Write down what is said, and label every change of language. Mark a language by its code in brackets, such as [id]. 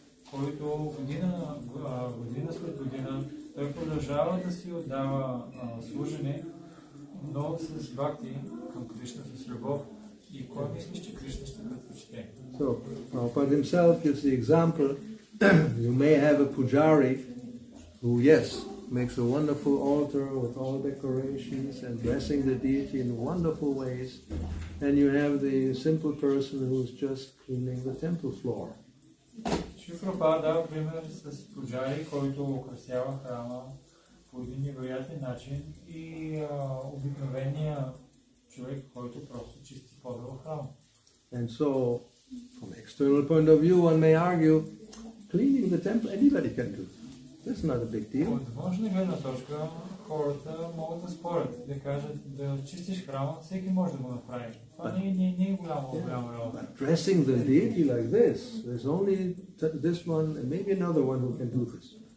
[bg] Който година след година той продължава да си отдава служене, но с бхакти към Кришна, с любов. И кой мислиш, че Кришна ще предпочете? [en] So, Prabhupada himself gives the example. You may have a pujari who, yes, makes a wonderful altar with all decorations and dressing the deity in wonderful ways, and you have the simple person who is just cleaning the temple floor. [bg] Шифропа дава пример с пуджари, който украсява храма по един невероятен начин и обикновения човек, който просто чисти подъл храма. [en] And so, from external point of view, one may argue, cleaning the temple, anybody can do. That's not a big deal. [bg] От външна гледна точка хората могат да спорят, да кажат да чистиш храма, всеки може да го направи. Това не е голямо работа. [en] Pressing the deity like this, there's only this one and maybe another one who can do this.